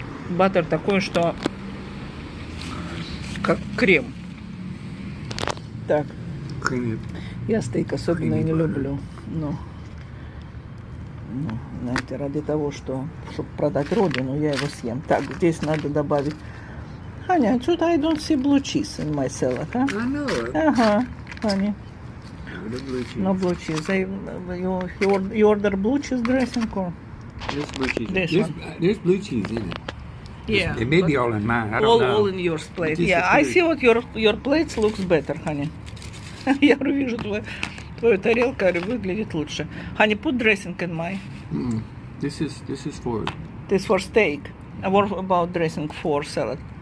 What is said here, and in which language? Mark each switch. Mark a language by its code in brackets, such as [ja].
[ru] Баттер такой, что как крем. Так. [en] Creamy. [ru] Я стейк особенно не люблю. Но, знаете, ради того, что, чтобы продать родину, я его съем. Так, здесь надо добавить. [en] Ханя, [ru] что-то [en] I don't see blue cheese in my salad, а? I know. Ага, Ханя. No blue cheese. You order blue cheese dressing or? This blue cheese. This there's blue cheese in it. Yeah. It may be all in mine. I don't all, know. All in your plate. It's yeah, I see what your plates looks better, honey. [ru] Я вижу твою тарелку, говорю, выглядит лучше. [en] Honey, put dressing in my. This is for. This for steak. What about dressing for salad?